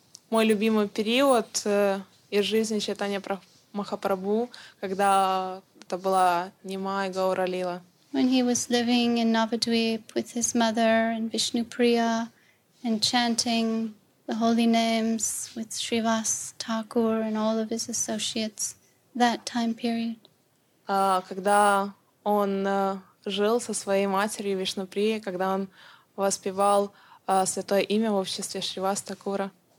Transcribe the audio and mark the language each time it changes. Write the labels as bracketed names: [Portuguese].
[Russian] Мой любимый период из жизни Чайтанья Махапрабху, когда это была Нимай, Гаура, Лила. [English] When he was living in Navadvip with his mother and Vishnupriya and chanting the holy names with Srivas Thakur and all of his associates, that time period. [Russian] Когда он жил со своей матерью Вишнуприя, когда он воспевал святое имя в обществе Шривас Такура.